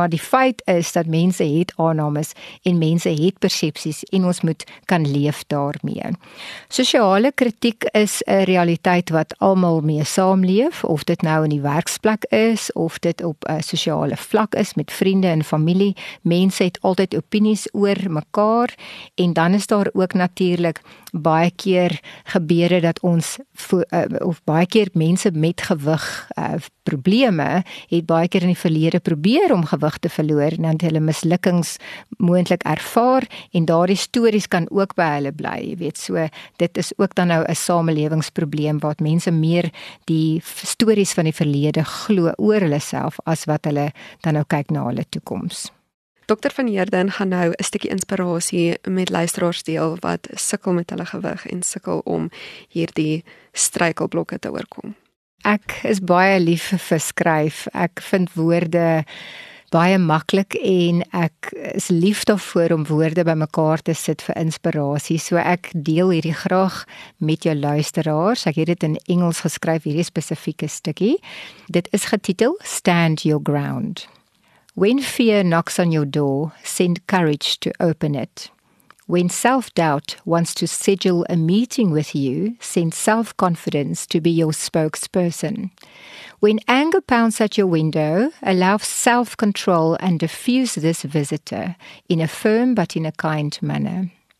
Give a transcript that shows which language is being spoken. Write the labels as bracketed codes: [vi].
[af] Maar die feit is dat mense het aannames en mense het persepsies en ons moet kan leef daarmee. Sosiale kritiek is 'n realiteit wat almal mee saamleef, of dit nou in die werksplek is, of dit op 'n sosiale vlak is met vriende en familie. Mense het altyd opinies oor mekaar en dan is daar ook natuurlik baie keer gebeure dat ons, of baie keer mense met gewig probleme, het baie keer in die verlede probeer om gewig te verloor en dan hulle mislukkings moontlik ervaar en daardie stories kan ook by hulle bly, jy weet, so dit is ook dan nou 'n samelewingsprobleem wat mense meer die stories van die verlede glo oor hulle self as wat hulle dan nou kyk na hulle toekoms. Dokter van Heerden gaan nou 'n stukkie inspirasie met luisteraars deel wat sukkel met hulle gewig en sukkel om hierdie struikelblokke te oorkom. Ek is baie lief vir skryf. Ek vind woorde baie maklik en ek is lief daarvoor om woorde by mekaar te sit vir inspirasie. So ek deel hierdie graag met jou luisteraars. Ek het dit in Engels geskryf, hierdie spesifieke stukkie. Dit is getitel Stand Your Ground. [en] When fear knocks on your door, send courage to open it. When self-doubt wants to schedule a meeting with you, send self-confidence to be your spokesperson. When anger pounds at your window, allow self-control and diffuse this visitor in a firm but in a kind manner.